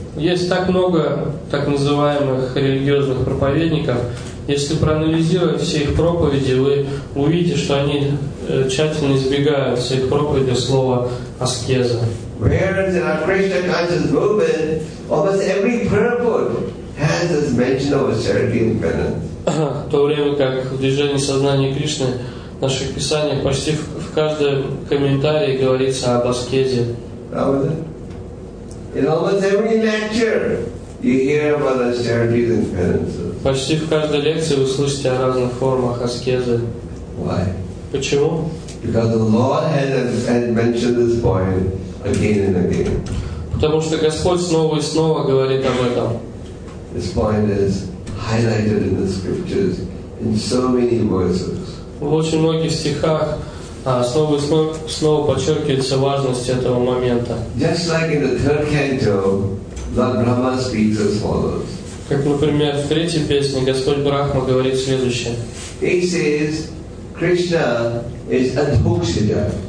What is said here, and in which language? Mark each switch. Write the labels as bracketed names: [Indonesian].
[Russian] Есть так много так называемых религиозных проповедников. Если проанализировать все их проповеди, вы увидите, что они тщательно избегают все их проповеди слова аскеза. [English] Whereas in our Krishna conscious movement, almost every purport has this mention of austerity and penance. [Russian] В то время как в движении сознания Кришны в наших писаниях почти в каждом комментарии говорится об аскезе. [English] In almost every lecture you hear about austerities and penances. [Russian] Почти в каждой лекции вы слышите о разных формах аскезы. [English] Why? [Russian] Почему? [English] Because the Lord has mentioned this point again and again. [Russian] Потому что Господь снова и снова говорит об этом. [English] This point is highlighted in the scriptures in so many verses. [Russian] В очень многих стихах снова подчеркивается важность этого момента. [English] Just like in the third canto, Lord Brahma speaks as follows. [Russian] Как, например, в третьей песне Господь Брахма говорит следующее. [English] He says, Krishna is Adhokshaja.